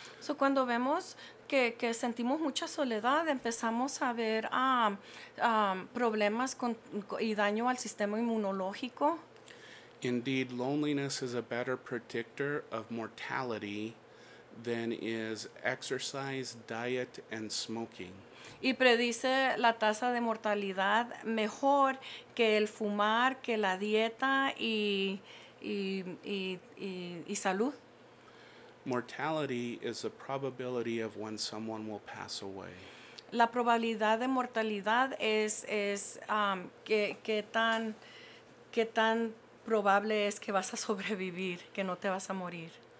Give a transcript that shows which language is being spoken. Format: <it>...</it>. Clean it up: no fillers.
<es>So cuando vemos que sentimos mucha soledad, empezamos a ver problemas y daño al sistema inmunológico.</es> <en>Indeed, loneliness is a better predictor of mortality than is exercise, diet, and smoking.</en> <es>Y predice la tasa de mortalidad mejor que el fumar, que la dieta y salud.</es> <en>Mortality is the probability of when someone will pass away.</en> <es>La probabilidad de mortalidad es qué tan probable es que vas a sobrevivir, que no te vas a morir.</es>